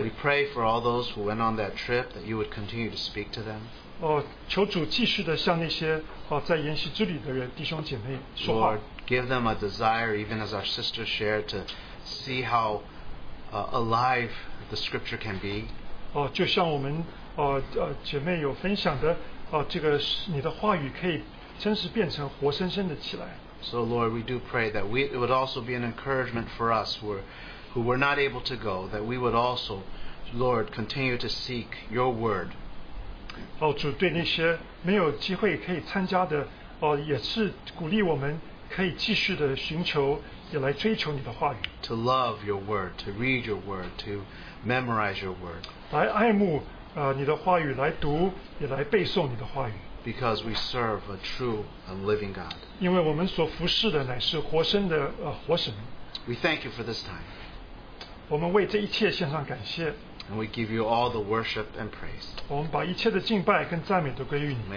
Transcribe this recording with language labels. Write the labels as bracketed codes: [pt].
[en] We pray for all those who went on that trip that you would continue to speak to them. [zh] 求主继续的向那些在研习之旅的人弟兄姐妹说话。 [en] Lord, give them a desire, even as our sister shared, to see how alive the scripture can be. [zh] 就像我们姐妹有分享的这个你的话语可以真实变成活生生的起来。 [en] So Lord, we do pray that we, it would also be an encouragement for us who were not able to go, that we would also, Lord, continue to seek your word. [zh] 主对那些没有机会可以参加的也是鼓励我们可以继续的寻求也来追求你的话语。 [en] To love your word, to read your word, to memorize your word. [zh] 来爱慕你的话语来读也来背诵你的话语。 [en] Because we serve a true and living God. [zh] 因为我们所服侍的乃是活生的活神。 [en] We thank you for this time. [zh] 我们为这一切献上感谢。 [en] And we give you all the worship and praise. [zh] 我们把一切的敬拜跟赞美都归于你。